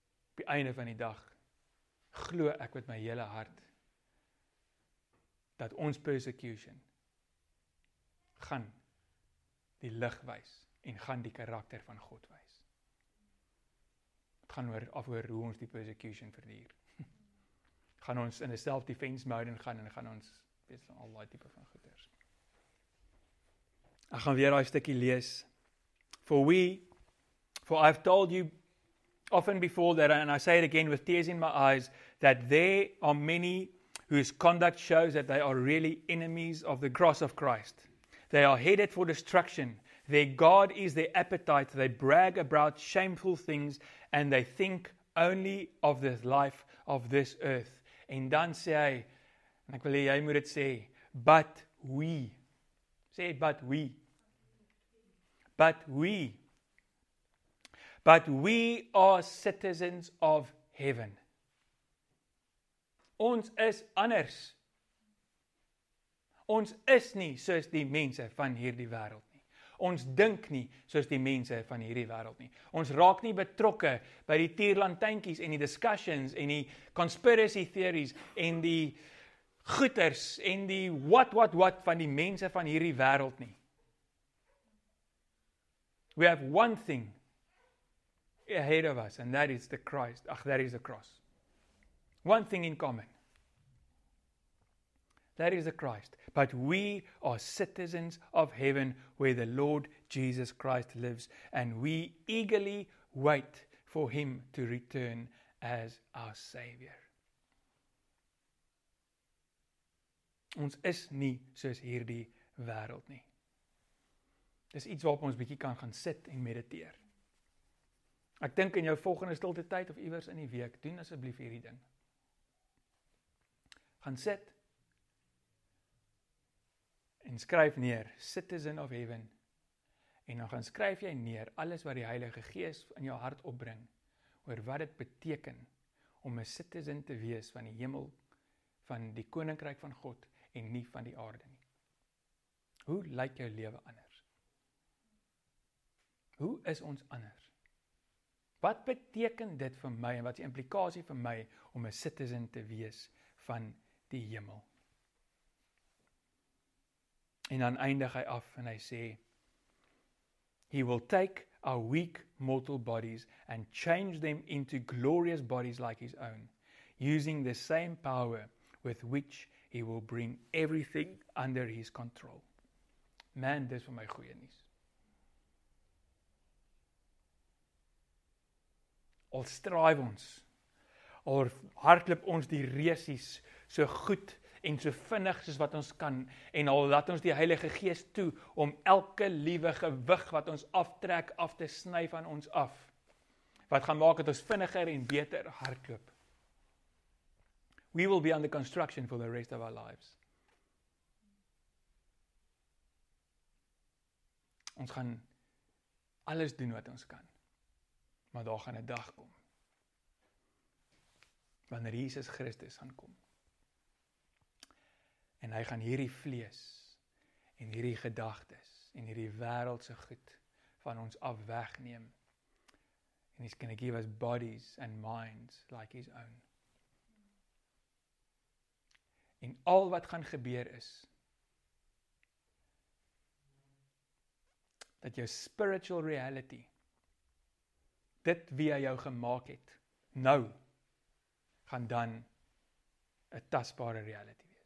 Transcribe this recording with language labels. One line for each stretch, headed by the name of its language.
Afrikaans: Op die einde van die dag, glo ek met my hele hart, dat ons persecution gaan die lig wys en gaan die karakter van God wys. Het gaan oor hoe ons die persecution verdier. Gaan ons in 'n self-defense mode gaan en gaan ons weet van al daai tipe van goeders. Ek gaan weer daai stukkie lees.
English: For I've told you often before that, and I say it again with tears in my eyes, that there are many whose conduct shows that they are really enemies of the cross of Christ. They are headed for destruction. Their God is their appetite. They brag about shameful things and they think only of the life of this earth.
Afrikaans: En dan sê hy, en ek wil hê jy moet dit sê,
English: but we.
Afrikaans: Sê,
English: but we. But we. But we are citizens of heaven.
Afrikaans: Ons is anders. Ons is nie soos die mense van hierdie wêreld nie. Ons dink nie soos die mense van hierdie wêreld nie. Ons raak nie betrokke by die tierlantuintjies en die discussions en die conspiracy theories en die goeters en die what van die mense van hierdie wêreld nie.
English: We have one thing ahead of us and that is the Christ. Ach, that is the cross. One thing in common. That is the Christ. But we are citizens of heaven where the Lord Jesus Christ lives and we eagerly wait for him to return as our Savior.
Afrikaans: Ons is nie soos hierdie wêreld nie. Dis iets waarop ons bietjie kan gaan sit en mediteer. Ek dink in jou volgende stilte tyd of iewers in die week, doen asseblief hierdie ding. Gaan sit en skryf neer,
English: citizen of heaven,
Afrikaans: en dan gaan skryf jy neer alles wat die Heilige Gees in jou hart opbring, oor wat dit beteken om 'n citizen te wees van die hemel, van die koninkryk van God en nie van die aarde nie. Hoe lyk jou lewe anders? Hoe is ons anders? Wat beteken dit vir my en wat is die implikasie vir my om 'n citizen te wees van die hemel. En dan eindig hy af en hy sê,
English: He will take our weak mortal bodies and change them into glorious bodies like his own, using the same power with which he will bring everything under his control.
Afrikaans: Man, dis vir my goeie nuus. Al stryf ons, al hardloop ons die reusies so goed en so vinnig soos wat ons kan en al laat ons die Heilige Gees toe om elke liewe gewig wat ons aftrek af te sny van ons af. Wat gaan maak dat ons vinniger en beter hardloop?
English: We will be under construction for the rest of our lives.
Afrikaans: Ons gaan alles doen wat ons kan. Maar daar gaan 'n dag kom. Wanneer Jesus Christus gaan kom. En hy gaan hierdie vlees en hierdie gedagtes en hierdie wêreldse goed van ons af wegneem.
English: And he's going to give us bodies and minds like his own.
Afrikaans: En al wat gaan gebeur is, dat jou
English: spiritual reality,
Afrikaans: dit wie hy jou gemaak het, nou, gaan dan 'n tastbare reality.